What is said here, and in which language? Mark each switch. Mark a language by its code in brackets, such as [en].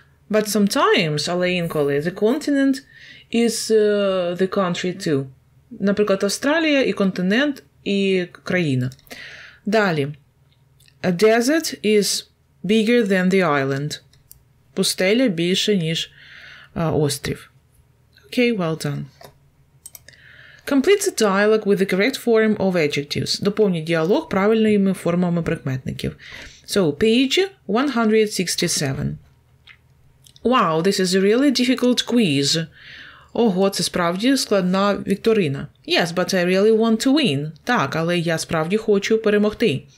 [en] But sometimes, [uk] але інколи, [en] the continent is the country too. [uk] Наприклад, Австралія і континент, і країна. Далі. [en] A desert is bigger than the island. [uk] Пустеля більше, ніж острів. [en] Okay, well done. Complete the dialogue with the correct form of adjectives. [uk] Доповніть діалог правильними формами прикметників. [en] So, page 167. Wow, this is a really difficult quiz. [uk] Ого, це справді складна вікторина. [en] Yes, but I really want to win. [uk] Так, але я справді хочу перемогти.